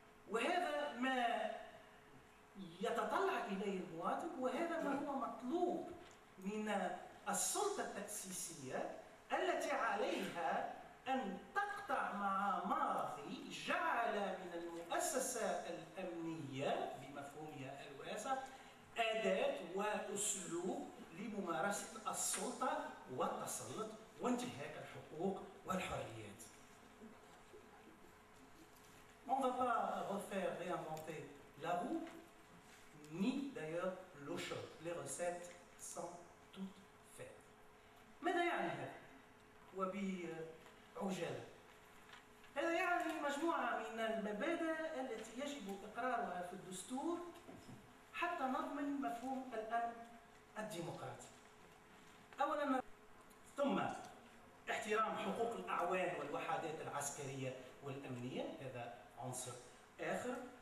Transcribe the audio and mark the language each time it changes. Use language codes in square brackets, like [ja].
[ar] وهذا ما يتطلع إليه المواطن، وهذا ما هو مطلوب من السلطة التأسيسية التي عليها أن تقطع مع ماضي جعل من المؤسسة الأمنية بمفهومها الواسع أداة وأسلوب لممارسة السلطة والتسلط وانتهاك الحقوق والحريات. [fr] On ne va pas refaire, réinventer la roue, ni d'ailleurs l'eau chaude. Les recettes sont toutes faites. Mais d'ailleurs, [ar] وبي عجالة. هذا يعني مجموعة من المبادئ التي يجب إقرارها في الدستور حتى نضمن مفهوم الأمن الديمقراطي. أولا، ثم احترام حقوق الأعوان والوحدات العسكرية والأمنية، هذا عنصر آخر.